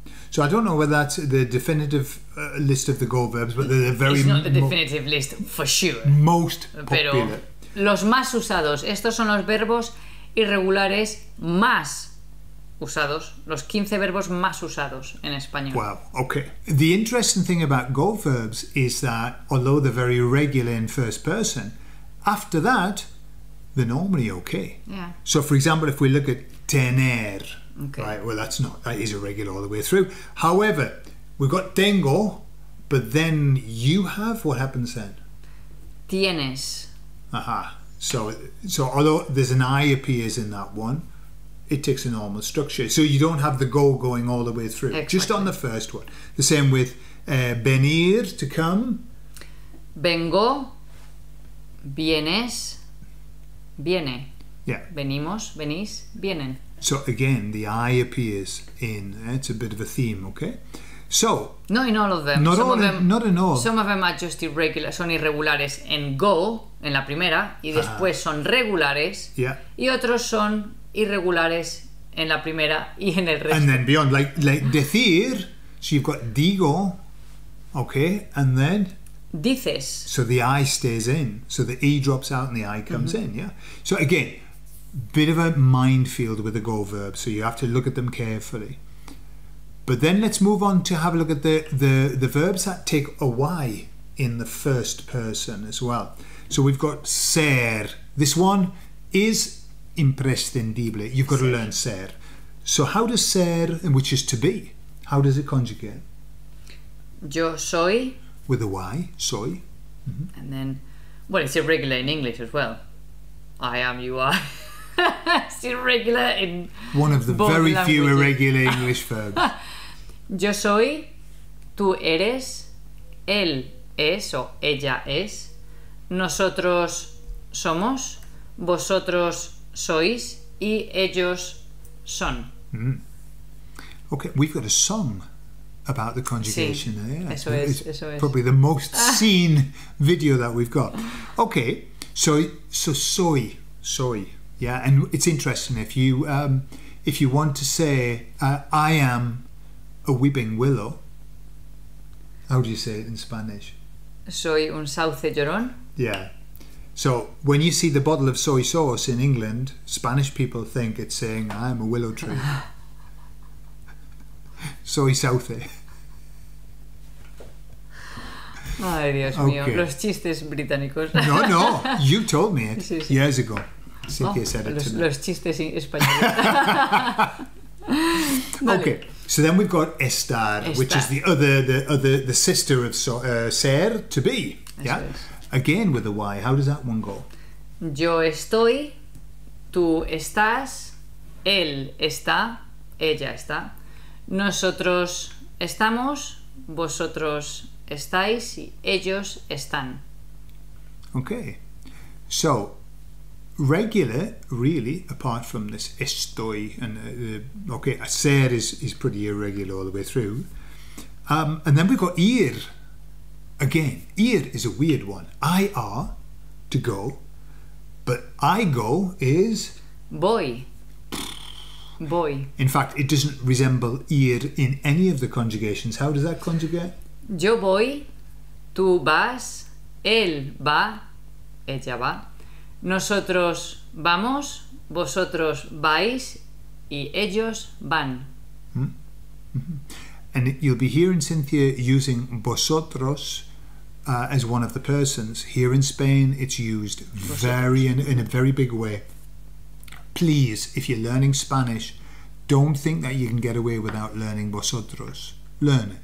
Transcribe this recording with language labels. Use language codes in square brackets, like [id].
[en] So I don't know whether that's the definitive list of the go verbs, but they're very... It's not the definitive list, for sure. Most popular. [es] Pero los más usados. Estos son los verbos irregulares más usados, los 15 verbos más usados en español. Wow, okay. [en] The interesting thing about go verbs is that although they're very irregular in first person, after that, they're normally okay. Yeah. So, for example, if we look at tener, okay, right, well, that is irregular all the way through. However, we've got tengo, but then you have, what happens then? [es] Tienes. Aha. [en] So although there's an I appears in that one, it takes a normal structure. So you don't have the go going all the way through. Exactly. Just on the first one. The same with venir, to come. [es] Vengo. Vienes. Viene. [en] Yeah. [es] Venimos. Venís. Vienen. [en] So again, the I appears in. It's a bit of a theme, okay? So... Not in all of them. Not in all. Some of them are just irregular. [es] Son irregulares en go, en la primera. Y después son regulares. [en] Yeah. [es] Y otros son irregulares en la primera y en el resto. [en] And then beyond, like decir, so you've got digo, okay, and then [es] dices. [en] So the I stays in, so the E drops out and the I comes in, yeah? So again, bit of a minefield with the go verb, so you have to look at them carefully. But then let's move on to have a look at the verbs that take a Y in the first person as well. So we've got ser. This one is imprescindible. You've got to learn ser. So how does ser, which is to be, how does it conjugate? [es] Yo soy. [en] With a Y, soy. And then, well, it's irregular in English as well. I am, you are. It's irregular in one of the both very languages. Few irregular English verbs. [es] Yo soy, tú eres, él es o ella es, nosotros somos, vosotros sois y ellos son. [en] Okay, we've got a song about the conjugation, [es] sí, [en] there. [es] Eso es, eso es. [en] Probably the most seen video that we've got. Okay, so soy, yeah. And it's interesting if you want to say I am a weeping willow. How do you say it in Spanish? [es] Soy un sauce llorón. [en] Yeah. So, when you see the bottle of soy sauce in England, Spanish people think it's saying, I'm a willow tree. Soy sauce. [es] Ay, Dios mío, los chistes británicos. [en] No, no, you told me it years ago. [es] Así que los chistes españoles. [en] Okay, so then we've got estar, which is the sister of ser, to be. Yeah. Again with a Y. How does that one go? [es] Yo estoy, tú estás, él está, ella está. Nosotros estamos, vosotros estáis, y ellos están. [en] Okay. So, regular, really, apart from this estoy, and okay, ser is pretty irregular all the way through. And then we've got ir. Again, ir is a weird one. IR, to go, but I go is? [es] Voy. Voy. [en] In fact, it doesn't resemble ir in any of the conjugations. How does that conjugate? [es] Yo voy, tú vas, él va, ella va. Nosotros vamos, vosotros vais, y ellos van. [en] And you'll be hearing Cynthia using vosotros as one of the persons. Here in Spain, it's used very in a very big way. Please, if you're learning Spanish, don't think that you can get away without learning vosotros. Learn it.